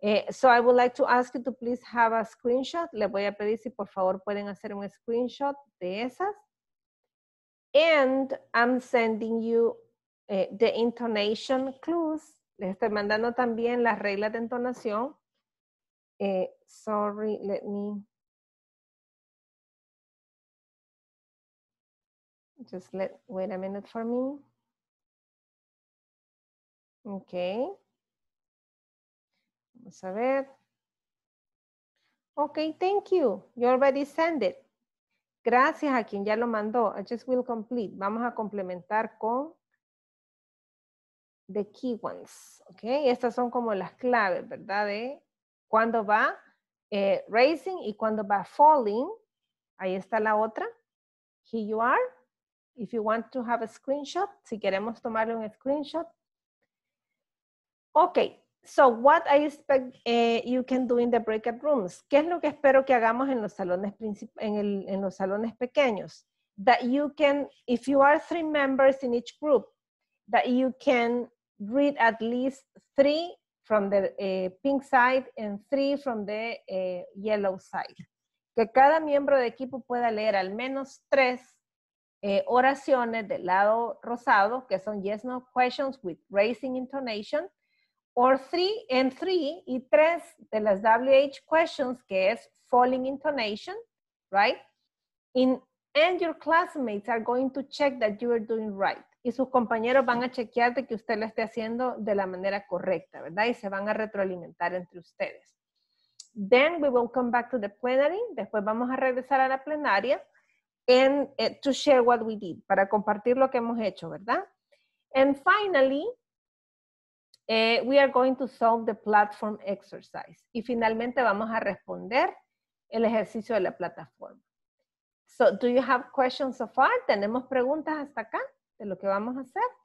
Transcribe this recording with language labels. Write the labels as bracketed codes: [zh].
[en] So I would like to ask you to please have a screenshot. [es] Le voy a pedir si por favor pueden hacer un screenshot de esas. [en] And I'm sending you the intonation clues. [es] Les estoy mandando también las reglas de entonación. [en] Sorry, let me just wait a minute for me. Okay. [es] Vamos a ver. [en] Okay, thank you. You already sent it. [es] Gracias a quien ya lo mandó. [en] I just will complete. [es] Vamos a complementar con [en] the key ones. [es] Okay, estas son como las claves, ¿verdad? De cuando va raising y cuando va falling. Ahí está la otra. [en] Here you are. If you want to have a screenshot, [es] si queremos tomarle un screenshot. [en] Okay, so what I expect you can do in the breakout rooms. [es] ¿Qué es lo que espero que hagamos en los salones en los salones pequeños? [en] That you can, if you are three members in each group, that you can read at least three from the pink side and three from the yellow side. [es] Que cada miembro de equipo pueda leer al menos tres oraciones del lado rosado, que son [en] yes, no questions with raising intonation, or three and three, [es] y tres de las WH questions, que es [en] falling intonation, right? And your classmates are going to check that you are doing right. [es] Y sus compañeros van a chequear de que usted lo esté haciendo de la manera correcta, ¿verdad? Y se van a retroalimentar entre ustedes. [en] Then we will come back to the plenary. [es] Después vamos a regresar a la plenaria. [en] And to share what we did, [es] para compartir lo que hemos hecho, ¿verdad? [en] And finally, we are going to solve the platform exercise. [es] Y finalmente vamos a responder el ejercicio de la plataforma. [en] So, do you have questions so far? [es] ¿Tenemos preguntas hasta acá de lo que vamos a hacer?